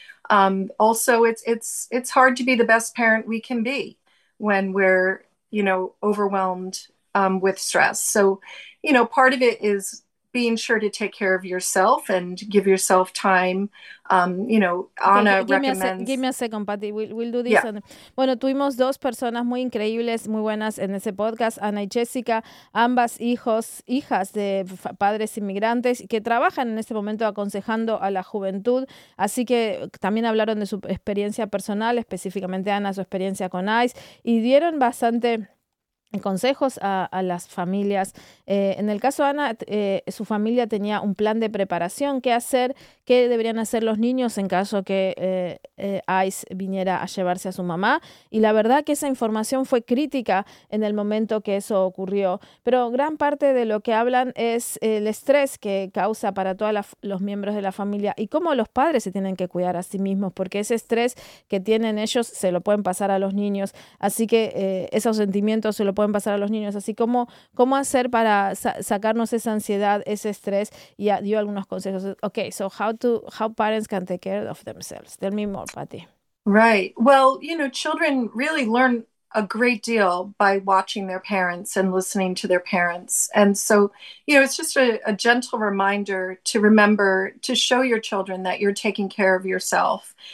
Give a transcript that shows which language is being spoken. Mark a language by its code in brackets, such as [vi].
[en] Also it's hard to be the best parent we can be when we're, you know, overwhelmed with stress. So, you know, part of it is being sure to take care of yourself and give yourself time. You know, Anna recommends... Give me a second, Patty. We'll do this. Yeah. [es] Bueno, tuvimos dos personas muy increíbles, muy buenas en ese podcast, Anna y Jessica, ambas hijas de padres inmigrantes que trabajan en este momento aconsejando a la juventud. Así que también hablaron de su experiencia personal, específicamente Anna, su experiencia con ICE, y dieron bastante... consejos a las familias. En el caso de Ana, su familia tenía un plan de preparación, qué hacer, qué deberían hacer los niños en caso que ICE viniera a llevarse a su mamá. Y la verdad que esa información fue crítica en el momento que eso ocurrió. Pero gran parte de lo que hablan es el estrés que causa para todos los miembros de la familia y cómo los padres se tienen que cuidar a sí mismos, porque ese estrés que tienen ellos se lo pueden pasar a los niños. Así que esos sentimientos se lo pueden pasar a los niños, así como cómo hacer para sacarnos esa ansiedad, ese estrés, y dio algunos consejos. [en] Okay, so how parents can take care of themselves. Tell me more, Patty. Right. Well, you know, children really learn a great deal by watching their parents and listening to their parents. And so, you know, it's just a gentle reminder to remember to show your children that you're taking care of yourself.